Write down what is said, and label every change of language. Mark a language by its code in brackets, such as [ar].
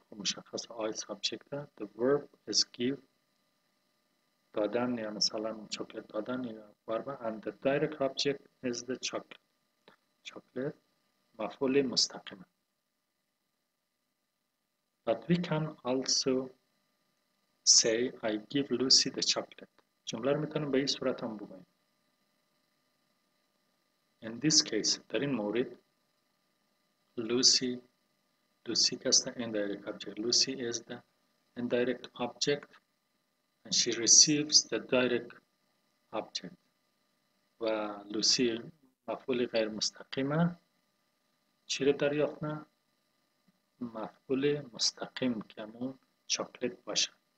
[fa] مشخص [en] I subject. The verb is give. [fa] دادن یا مثلا چاکلت دادن یا ورب. [en] And the direct object is the chocolate. [fa] چاکلت مفعول مستقیم. [en] But we can also say I give Lucy the chocolate. [fa] جمله رو میتونیم به این صورت هم بگوییم. [en] In this case, [fa] در این مورد [en] Lucy is the indirect object. Lucy is the indirect object and she receives the direct object. [fa] و Lucy مفعول غیر مستقیمه. چی رو دریافت نه؟ مفعول مستقیم که همون چاکلت باشه.